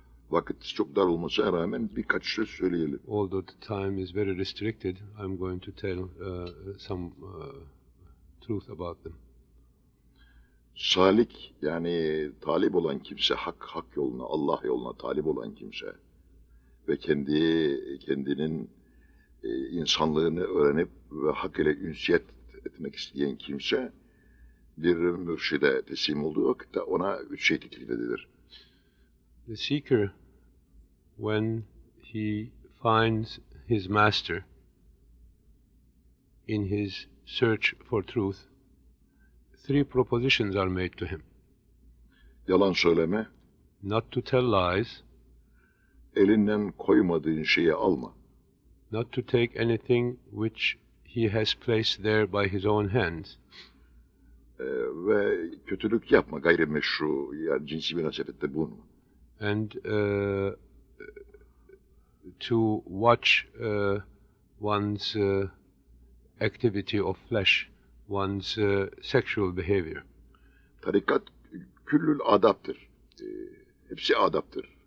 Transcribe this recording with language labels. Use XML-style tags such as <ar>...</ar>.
<tr>Vakit çok dar olmasına rağmen birkaç söz söyleyelim.</tr> <en>Although the time is very restricted, I'm going to tell some truth about them.</en> <tr>Salik, yani talip olan kimse, hak yoluna, Allah yoluna talip olan kimse ve kendinin insanlığını öğrenip ve hak ile ünsiyet etmek isteyen kimse bir mürşide teslim olduğu vakitte ona üç şey teklif edilir.</tr> <en>The seeker, when he finds his master in his search for truth, three propositions are made to him.</en> <tr>Yalan söyleme.</tr> <en>Not to tell lies.</en> <tr>Elinden koymadığın şeyi alma.</tr> <en>Not to take anything which he has placed there by his own hands.</en> <tr>Ve kötülük yapma, gayrimeşru, yani cinsi münasebette bulunma.</tr> <en>And to watch one's activity of flesh, one's sexual behavior.</en> <tr>Tarikat küllül adaptır. Hepsi adaptır.</tr>